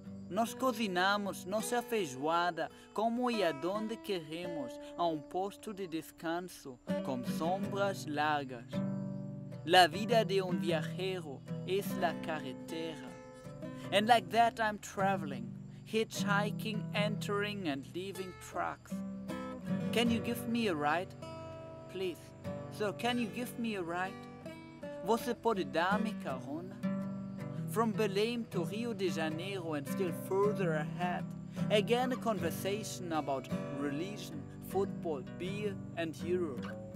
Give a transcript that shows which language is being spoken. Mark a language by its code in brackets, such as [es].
[pt] Nós cozinamos nossa feijoada como e aonde queremos a posto de descanso com sombras largas. [es] La vida de un viajero es la carretera. [en] And like that I'm traveling, hitchhiking, entering and leaving trucks. Can you give me a ride? Please. Sir, can you give me a ride? [pt] Você pode dar-me carona? [en] From Belém to Rio de Janeiro and still further ahead, again a conversation about religion, football, beer and Europe.